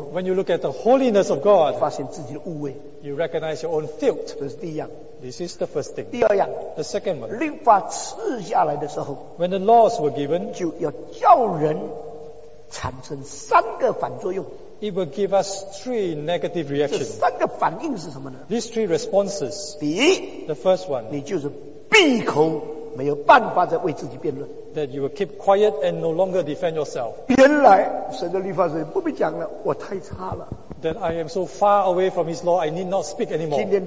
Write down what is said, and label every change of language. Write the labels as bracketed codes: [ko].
[en] When you look at the holiness of God, you recognize your own filth. This is the first thing. [zh] 第二样, [en] the second one. [zh] 律法赐下来的时候, [en] when the laws were given, [zh] 就要叫人产生三个反作用, [en] it will give us three negative reactions. [zh] 这三个反应是什么呢? [en] These three responses. [zh] 第一, [en] the first one. [zh] 你就是闭口没有办法再为自己辩论, [en] that you will keep quiet and no longer defend yourself. [zh] 原来神的律法是不必讲了，我太差了。 [en] That I am so far away from his law, I need not speak anymore.